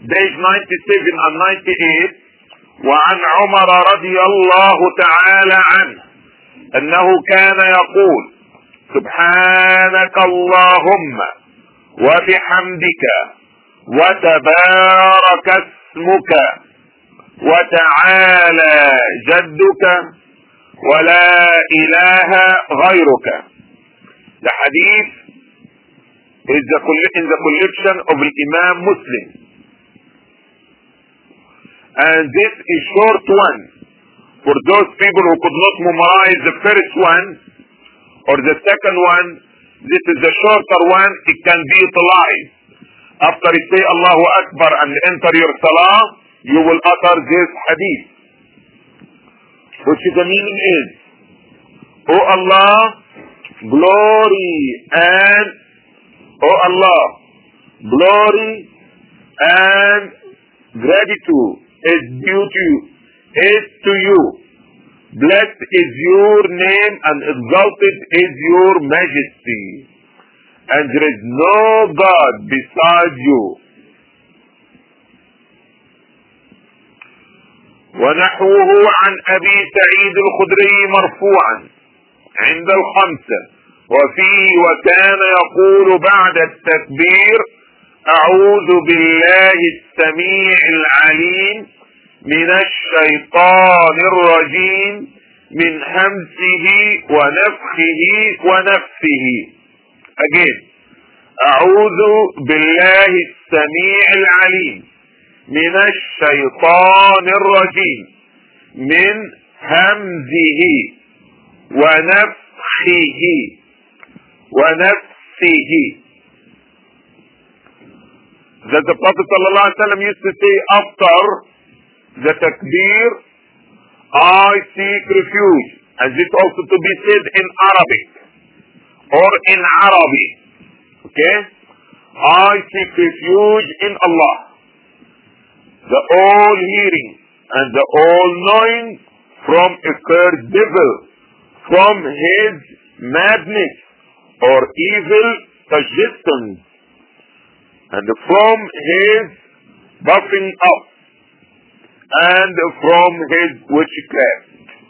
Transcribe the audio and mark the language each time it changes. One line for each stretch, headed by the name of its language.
English: days 97 and 98,
Arabic: وعن عمر رضي الله تعالى عنه انه كان يقول سبحانك اللهم وبحمدك وتبارك اسمك وتعالى جدك ولا اله غيرك. ده حديث
English: in the collection of Imam Muslim. And this is short one for those people who could not memorize the first one or the second one. This is the shorter one. It can be utilized after you say Allahu Akbar and enter your salah, you will utter this hadith, which is the meaning is, O Allah, glory and O Allah, glory and gratitude is due to you, is to you. Blessed is your name and exalted is your majesty. And there is no God beside you.
Arabic: ونحوه عن أبي سعيد الخدري مرفوعا عند الخمسة وفيه وكان يقول بعد التكبير أعوذ بالله السميع العليم من الشيطان الرجيم من همسه ونفخه ونفثه. Again, أعوذ بالله السميع العليم من الشيطان الرجيم من همزه ونفخه ونفسه.
English: That the Prophet صلى الله عليه وسلم used to say after the takbir, I seek refuge. As it also to be said in Arabic or in Arabi. Okay? I seek refuge in Allah, the all hearing and the all knowing, from a cursed devil, from his madness or evil suggestions, and from his buffing up, and from his witchcraft.